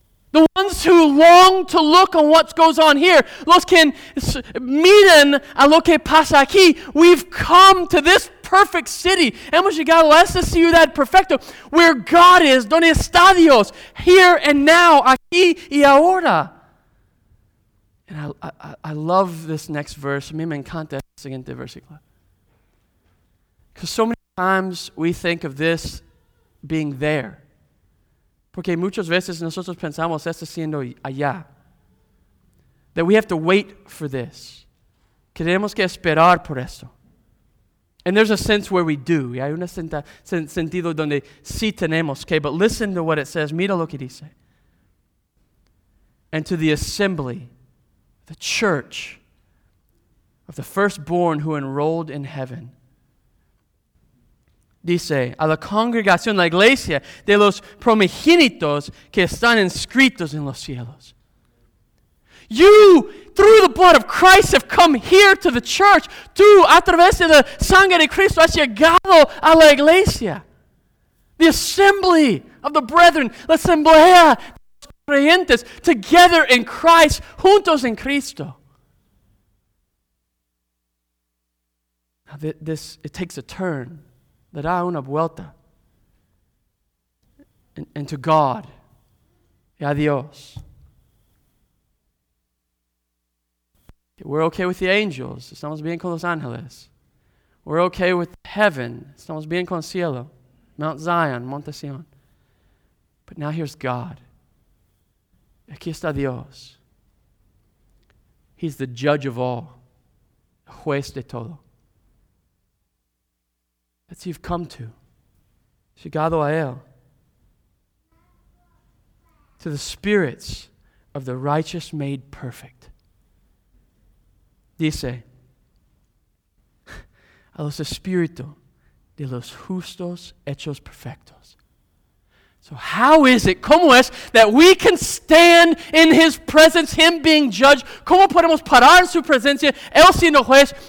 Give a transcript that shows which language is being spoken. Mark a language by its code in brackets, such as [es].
[en] The ones who long to look on what goes on here. [es] Los que miren a lo que pasa aquí. [en] We've come to this perfect city. [es] Hemos llegado a esta ciudad perfecta. [en] Where God is. [es] Donde está Dios. [en] Here and now. [es] Aquí y ahora. [en] And I love this next verse. [es] A mí me encanta el siguiente versículo. [en] Because so many times we think of this being there. [es] Porque muchas veces nosotros pensamos esto siendo allá. [en] That we have to wait for this. [es] Que tenemos que esperar por esto. [en] And there's a sense where we do. [es] Y hay un sentido donde sí tenemos. [en] Okay, but listen to what it says. [es] Mira lo que dice. [en] And to the assembly, the church of the firstborn who enrolled in heaven. [es] Dice, a la congregación, la iglesia, de los primogénitos que están inscritos en los cielos. [en] You, through the blood of Christ, have come here to the church. [es] Tú, a través de la sangre de Cristo, has llegado a la iglesia. [en] The assembly of the brethren, [es] la asamblea de los creyentes, [en] together in Christ, [es] juntos en Cristo. [en] Now this, it takes a turn. [es] Le da una vuelta. [en] And to God. [es] Y a Dios. [en] We're okay with the angels. [es] Estamos bien con los ángeles. [en] We're okay with heaven. [es] Estamos bien con cielo. Mount Zion, Monte Sion. [en] But now here's God. [es] Aquí está Dios. [en] He's the judge of all. [es] Juez de todo. [en] That you've come to. [es] Llegado a él. [en] To the spirits of the righteous made perfect. [es] Dice, a los espíritus de los justos hechos perfectos. [en] So how is it, [es] cómo es, [en] that we can stand in his presence, him being judged? [es] ¿Cómo podemos parar en su presencia, él siendo juez?